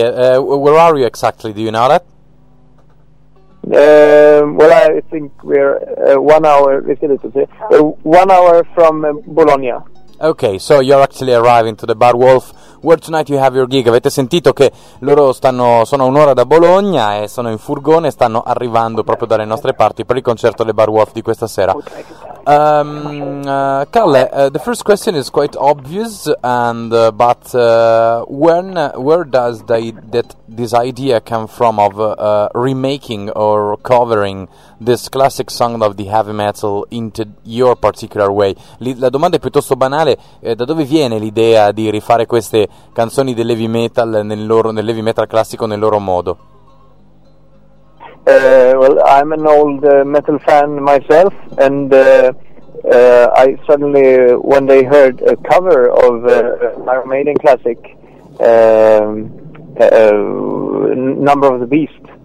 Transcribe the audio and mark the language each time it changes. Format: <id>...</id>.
<en>Where are you exactly? Do you know that? Well, I think we're 1 hour. Is it 1 hour from Bologna? Okay, so you're actually arriving to the Bar Wolf, where tonight you have your gig.</en> <it>Avete sentito che loro sono un'ora da Bologna e sono in furgone e stanno arrivando proprio dalle nostre parti per il concerto del Bar Wolf di questa sera.</it> <en>Kalle, the first question is quite obvious, but where does this idea come from of remaking or covering this classic song of the heavy metal into your particular way?</en> <it>La domanda è piuttosto banale, da dove viene l'idea di rifare queste canzoni del heavy metal nel heavy metal classico nel loro modo?</it> <en>Well, I'm an old metal fan myself, and I suddenly, when they heard a cover of Iron Maiden classic, Number of the Beast,</en>